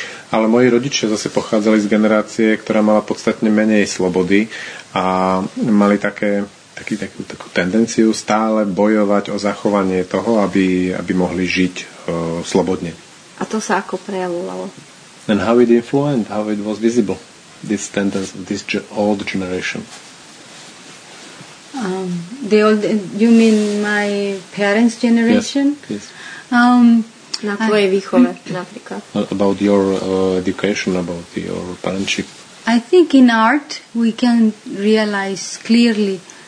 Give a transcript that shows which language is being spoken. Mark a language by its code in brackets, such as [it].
[sk] Ale moji rodičia zase pochádzali z generácie, ktorá mala podstatne menej slobody a mali takú tendenciu stále bojovať o zachovanie toho, aby mohli žiť slobodne. A to sa ako prejavovalo? [en] And how it influenced, how it was visible, this tendency of this old generation. You mean my parents' generation? Yes. [sk] Na tvojej výchove, napríklad. [en] About your education, about your parentship. I think in art we can realize clearly.